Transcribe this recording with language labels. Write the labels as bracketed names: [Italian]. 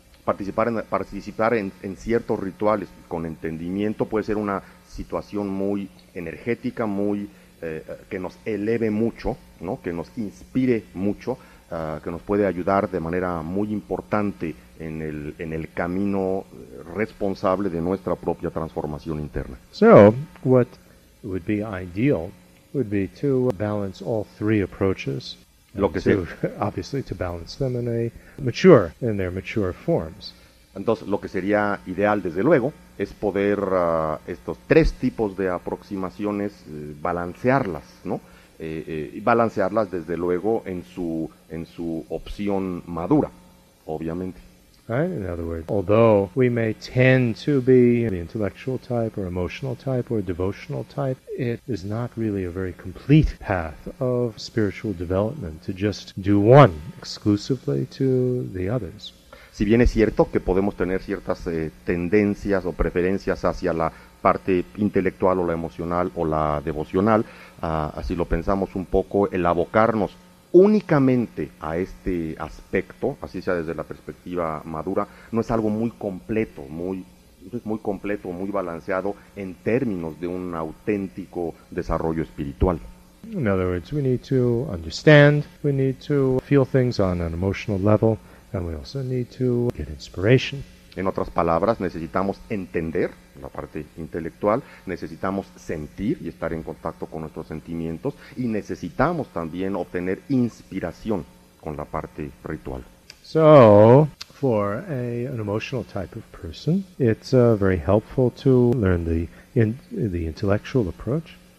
[Spanish] Participar en ciertos rituales con entendimiento puede ser una situación muy energética, muy que nos eleve mucho, ¿no? Que nos inspire mucho, que nos puede ayudar de manera muy importante en el camino responsable de nuestra propia transformación interna. [English] So, what would be ideal would be to balance all three approaches. [Spanish] Lo que sea. [English] Obviously, to balance them in a mature, in their mature forms. [Spanish] Entonces, lo que sería ideal, desde luego, es poder estos tres tipos de aproximaciones balancearlas, ¿no? Balancearlas, desde luego, en su opción madura, obviamente. [English] Right? In other words, although we may tend to be the intellectual type or emotional type or devotional type, it is not really a very complete path of spiritual development to just do one exclusively to the others. [Spanish] Si bien es cierto que podemos tener ciertas tendencias o preferencias hacia la parte intelectual o la emocional o la devocional, así lo pensamos un poco, el abocarnos únicamente a este aspecto, así sea desde la perspectiva madura, no es algo muy completo, muy completo, muy balanceado en términos de un auténtico desarrollo espiritual. [English] In other words, we need to understand, we need to feel things on an emotional level, and we also need to get inspiration. [Spanish] En otras palabras, necesitamos entender la parte intelectual, necesitamos sentir y estar en contacto con nuestros sentimientos, y necesitamos también obtener inspiración con la parte ritual. [English] So, for an emotional type of person, it's very helpful to learn the intellectual approach.